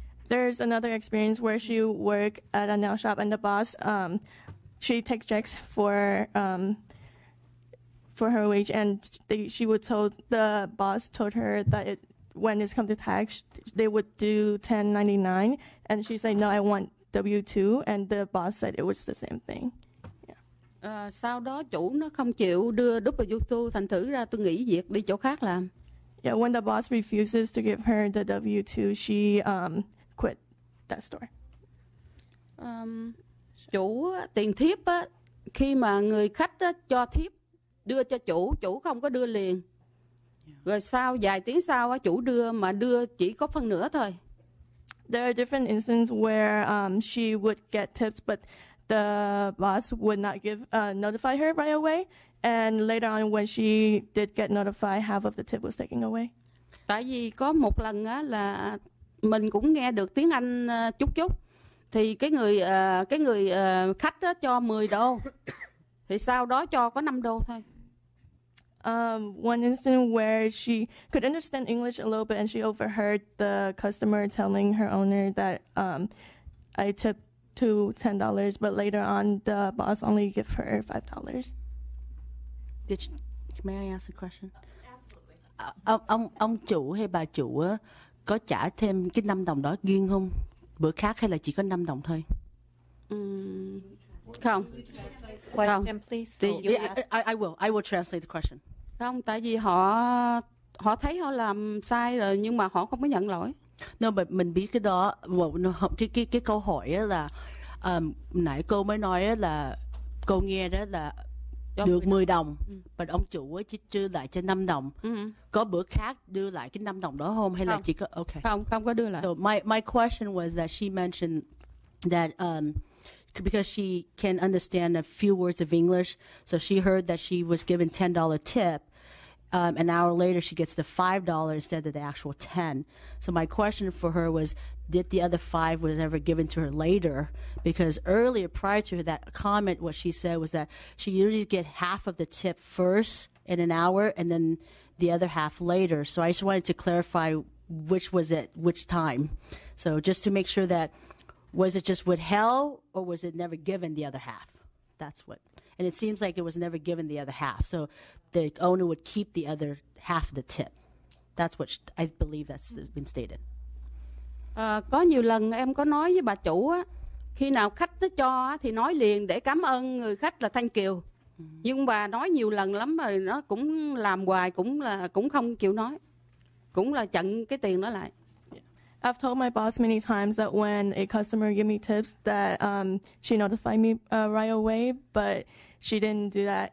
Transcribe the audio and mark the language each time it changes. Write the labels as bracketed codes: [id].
[en] There's another experience where she work at a nail shop and the boss she take checks for her wage, and the boss told her that it, when it's come to tax, they would do 1099, and she said, no, I want W-2, and the boss said it was the same thing. Yeah. [vi] Sau đó chủ nó không chịu đưa W-2, thành thử ra tôi nghỉ việc đi chỗ khác làm. [en] Yeah, when the boss refuses to give her the W-2, she quit that store. [vi] Chủ tiền thiếp á, khi mà người khách á, cho thiếp đưa cho chủ không có đưa liền. Rồi sau vài tiếng sau chủ đưa mà đưa chỉ có phần nửa thôi. [en] There are different instances where she would get tips, but the boss would not give notify her right away. And later on, when she did get notified, half of the tip was taken away. [vi] Tại vì có một lần á là mình cũng nghe được tiếng Anh chút chút. Thì cái người khách đó cho 10 đô. Thì sau đó cho có 5 đô thôi. [en] One instance where she could understand English a little bit and she overheard the customer telling her owner that I tipped to $10, but later on the boss only gave her $5. Did you, may I ask a question? Absolutely. [vi] Ông chủ hay bà chủ có trả thêm cái 5 đồng đó riêng không? Bữa khác hay là chỉ có 5 đồng thôi? Không. [en] Question, please. I will translate the question. [vi] Không, tại vì họ thấy họ làm sai rồi nhưng mà họ không có nhận lỗi. [en] No, but [vi] mình biết cái đó, cái câu hỏi là nãy cô mới nói là cô nghe đó là được 10 đồng, và ông chủ chỉ trừ lại cho 5 đồng. Có bữa khác đưa lại cái 5 đồng đó không hay không. Là chỉ có okay. Không có đưa lại. [en] So my question was that she mentioned that because she can understand a few words of English, so she heard that she was given $10 tip. An hour later, she gets the $5 instead of the actual 10. So my question for her was, did the other 5 was ever given to her later? Because earlier, prior to that comment, what she said was that she usually get half of the tip first in an hour and then the other half later. So I just wanted to clarify which was it, which time. So just to make sure that, was it just withheld or was it never given the other half? That's what. And it seems like it was never given the other half. So the owner would keep the other half of the tip. That's what I believe that's been stated. [vi] Có nhiều lần em có nói với bà chủ á, khi nào khách nó cho á, thì nói liền để cảm ơn người khách là [en] thank you. [vi] Nhưng bà nói nhiều lần lắm rồi nó cũng làm hoài cũng không chịu nói. Cũng là chặn cái tiền đó lại. [en] I've told my boss many times that when a customer give me tips that she notified me right away, but she didn't do that.